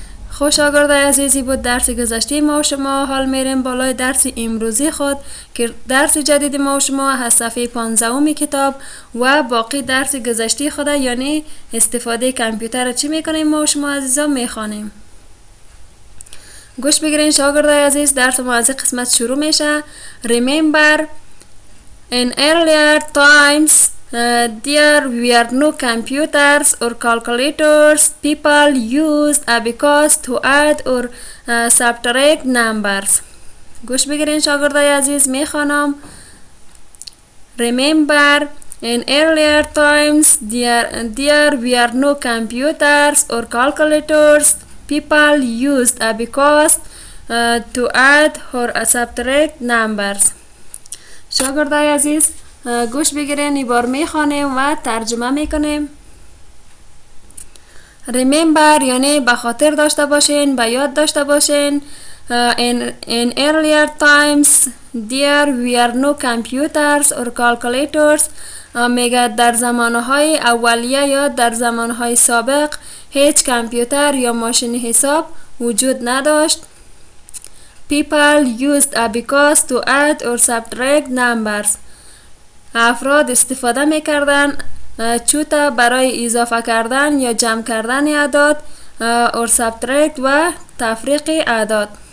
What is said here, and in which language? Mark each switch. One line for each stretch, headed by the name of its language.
Persian: خوش آگردای عزیزی بود درس گذشته ما و شما. حال میریم بالای درس امروزی خود که درس جدید ما و شما هست صفحه 15 کتاب و باقی درس گذشته خود، یعنی استفاده کامپیوتر چی میکنیم ما و شما عزیزا میخوانیم. گوش بگیرین شاگردای عزیز، درس ما از قسمت شروع میشه.
English: Remember in earlier times there were no computers or calculators. People used abacus to add or subtract numbers.
Persian: گوش بگیرین شاگردای عزیز، میخوانم.
English: Remember in earlier times there were no computers or calculators. People used abacus to add or subtract numbers.
Persian: شاگردای عزیز، گوش بگیرین، ایبار میخوانیم و ترجمه میکنیم. Remember یعنی بخاطر داشته باشین، بیاد داشته باشین.
English: In earlier times there were no computers or calculators.
Persian: میگه در زمانهای اولیه یا در زمانهای سابق هیچ کامپیوتر یا ماشین حساب وجود نداشت.
English: People used abacus to add or subtract numbers.
Persian: افراد استفاده میکردن چوته برای اضافه کردن یا جمع کردن اعداد
English: or subtract
Persian: و تفریق اعداد.